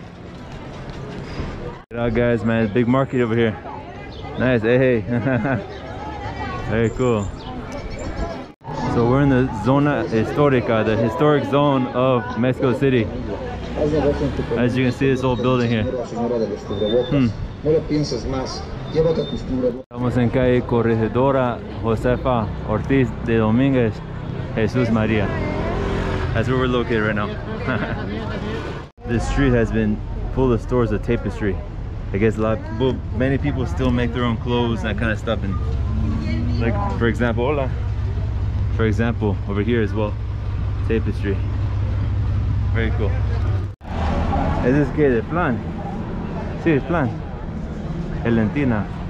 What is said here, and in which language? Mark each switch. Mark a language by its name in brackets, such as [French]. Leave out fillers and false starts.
[English] Check it out, guys, man, big market over here. Nice, hey. Very cool. So we're in the Zona Histórica, the historic zone of Mexico City. As you can see, this old building here. [Spanish] Estamos en calle Corregidora Josefa Ortiz de Dominguez, Jesús María. [English] That's where we're located right now. This street has been full of stores of tapestry. I guess many people still make their own clothes and that kind of stuff. And like, for example, hola. For example, over here as well, tapestry. Very cool. Is this que de plan? Si, sí, plan. Elentina.